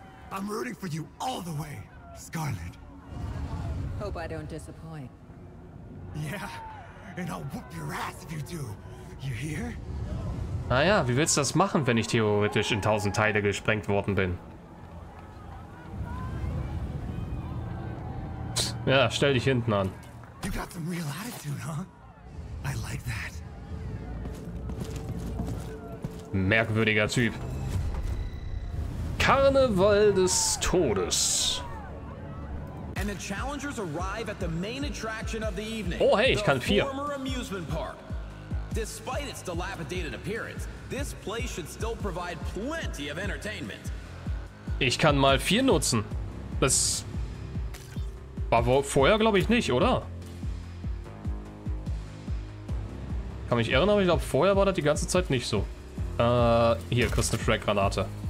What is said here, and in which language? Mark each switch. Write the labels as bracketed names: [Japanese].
[English] I'm rooting for you all the way, Scarlet. Hope I don't disappoint. Yeah, and I'll whoop your ass if you do. You hear? [German] Naja, wie willst du das machen, wenn ich theoretisch in 1000 Teile gesprengt worden bin? Ja, stell dich hinten an. [English] You got some real attitude, huh? I like that. [German] Merkwürdiger Typ. Karneval des Todes. [English] And the challengers arrive at the main attraction of the evening. [German] Oh hey, ich kann 4. [English] Former amusement park. Despite its dilapidated appearance, this place should still provide plenty of entertainment. [German] Ich kann mal 4 nutzen. Das war vorher, glaube ich, nicht, oder? Kann mich erinnern, aber ich glaube, vorher war das die ganze Zeit nicht so. Hier, kriegst du eine Frag-Granate.